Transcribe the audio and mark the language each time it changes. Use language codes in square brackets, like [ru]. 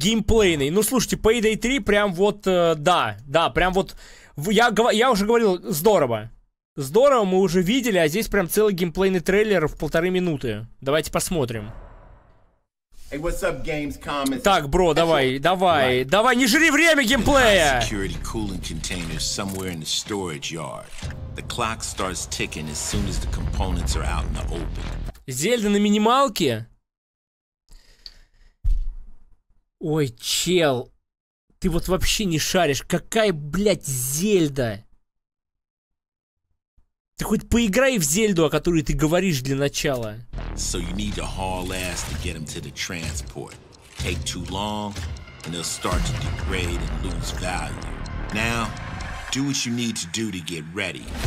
[ru] Геймплейный. Ну, слушайте, Payday 3 прям вот, да. Да, прям вот. Я уже говорил, здорово. Здорово, мы уже видели, а здесь прям целый геймплейный трейлер в полторы минуты. Давайте посмотрим. [en] Hey, what's up, Gamescom? [ru] Так, бро, давай, давай, right. Давай, не жри время геймплея! [en] In high security cooling container somewhere in the storage yard. The clock starts ticking as soon as the components are out in the open. [ru] Зельда на минималке? Ой, чел, ты вот вообще не шаришь, какая, блядь, Зельда? Ты хоть поиграй в Зельду, о которой ты говоришь для начала. [en] So you need to haul ass to get him to the transport. Take too long, and they'll start to degrade and lose value. Now, do what you need to do to get ready.